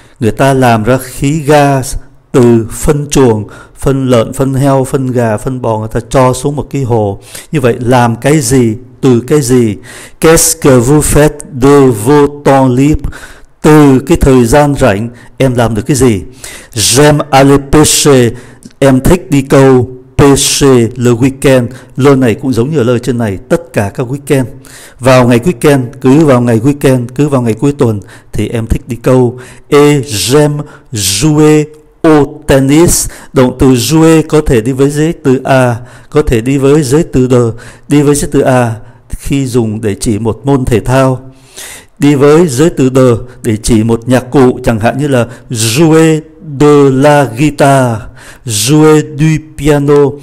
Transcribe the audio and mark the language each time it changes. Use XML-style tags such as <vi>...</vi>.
<vi>Người ta làm ra khí gas từ phân chuồng, phân lợn, phân heo, phân gà, phân bò, người ta cho xuống một cái hồ. Như vậy làm cái gì, từ cái gì?</vi> <fr>Qu'est-ce que vous faites de vos temps libres?</fr> <vi>Từ cái thời gian rảnh em làm được cái gì?</vi> <fr>J'aime aller pêcher.</fr> <vi>Em thích đi câu.</vi> <fr>Pêcher le weekend.</fr> <vi>Lời này cũng giống như ở lời trên này, tất cả các weekend. Vào ngày weekend, cứ vào ngày weekend, cứ vào ngày cuối tuần thì em thích đi câu.</vi> <fr>Et j'aime jouer au tennis.</fr> <vi>Động từ jouer có thể đi với giới từ a, có thể đi với giới từ de. Đi với giới từ a khi dùng để chỉ một môn thể thao. Đi với giới từ de để chỉ một nhạc cụ, chẳng hạn như là</vi> <fr>jouer de la guitar, jouer du piano.</fr>